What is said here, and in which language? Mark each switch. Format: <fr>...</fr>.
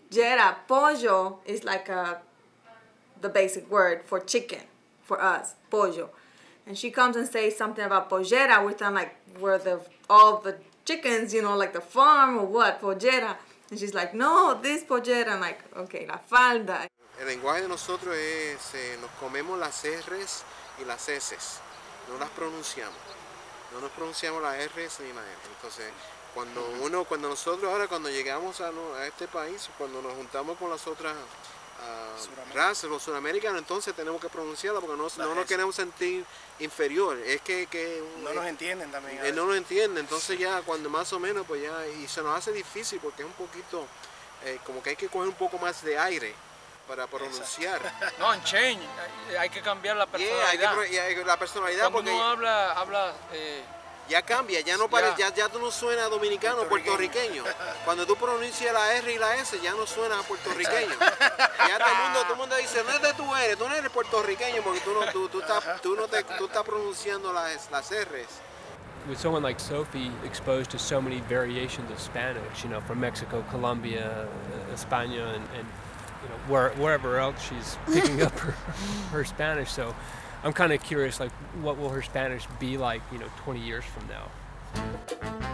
<en>pollera, pollo is like the basic word for chicken, for us, pollo. And she comes and says something about pollera, which I'm like, where all the chickens, you know, like the farm or what, pollera. And she's like, no, this pollera. I'm like, okay,</en> <es>la falda. El lenguaje de nosotros es, nos comemos las R's y las S's. No las pronunciamos. No nos pronunciamos las R's ni las S's. Entonces, cuando llegamos a este país, cuando nos juntamos con las otras razas, los suramericanos, entonces tenemos que pronunciarla porque no nos queremos sentir inferior. Es que no nos entienden también. No nos entienden. Entonces ya cuando más o menos, pues ya, y se nos hace difícil porque es un poquito, como que hay que coger un poco más de aire para pronunciar. No, en change. Hay que cambiar la personalidad. La personalidad. Cuando porque uno habla ya cambia, ya no parece, ya tú no suena dominicano, puertorriqueño. Cuando tú pronuncias la R y la S, ya no suena puertorriqueño. Ya todo el mundo dice, no es de tú no eres puertorriqueño porque tú estás pronunciando las R's.</es> <en>With someone like Sophie exposed to so many variations of Spanish, you know, from Mexico, Colombia, España, and you know, wherever else she's picking up her Spanish, so I'm kind of curious, like, what will her Spanish be like, you know, 20 years from now?</en>